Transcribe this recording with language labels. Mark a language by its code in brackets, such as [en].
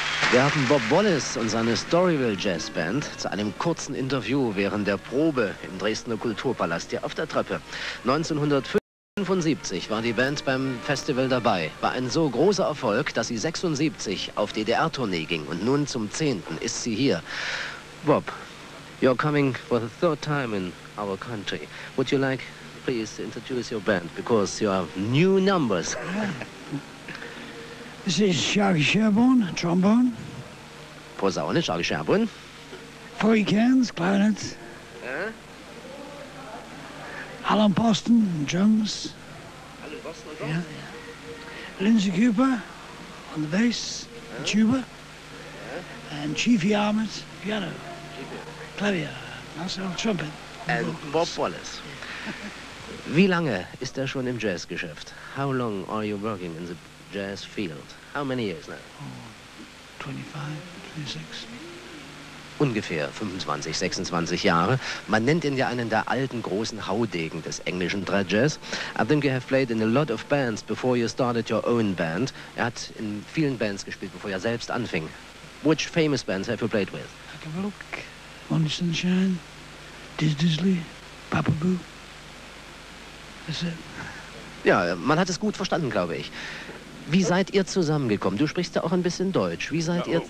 [de] Wir haben Bob Wallace und seine Storyville Jazz Band zu einem kurzen Interview während der Probe im Dresdner Kulturpalast hier auf der Treppe. 1975 war die Band beim Festival dabei, war ein so großer Erfolg, dass sie 76 auf DDR-Tournee ging und nun zum 10. ist sie hier. [en] Bob, you're coming for the third time in our country. Would you like please to introduce your band, because you have new numbers? This is Charlie Sherbourne, trombone. [de] Posaune, Charlie Sherbourne. [en] Foy Cairns, clarinet. Alan Poston, drums. Alan Poston, drums? Yeah, yeah. Lindsay Cooper, on the bass, the tuba. Yeah. And Chiefy Armit, piano. Clavier, national trumpet. And vocals. [de] Bob Wallace. Wie lange ist er schon im Jazzgeschäft? [en] How long are you working in the jazz field? How many years now? Oh, 25, 26. [de] Ungefähr 25, 26 Jahre. Man nennt ihn ja einen der alten großen Haudegen des englischen Jazz. [en] I think you have played in a lot of bands before you started your own band. [de] Er hat in vielen Bands gespielt, bevor er selbst anfing. [en] Which famous bands have you played with? Have a look. Money Sunshine, Diz Dizzley, Papa Boo. That's it. [de] Ja, man hat es gut verstanden, glaube ich. Wie seid ihr zusammengekommen? Du sprichst ja auch ein bisschen Deutsch. Wie seid ihr?